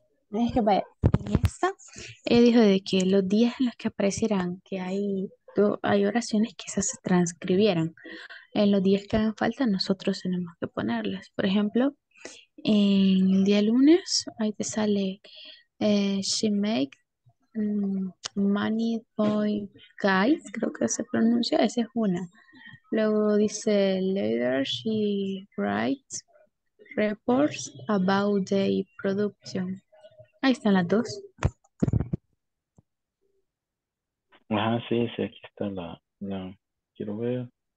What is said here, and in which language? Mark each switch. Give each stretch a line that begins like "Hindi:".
Spanish: Es que vaya, en esta, dijo de que los días en los que aparecerán, que hay oraciones que esas se transcribieran. En los días que hagan falta, nosotros tenemos que ponerlas. Por ejemplo, en el día lunes, ahí te sale,
English: she make money boy guys,
Spanish: creo que se pronuncia, esa es una. Luego dice,
English: later she writes reports about the production.
Spanish: Ahí están las dos. Ajá, sí, sí, aquí está la quiero ver.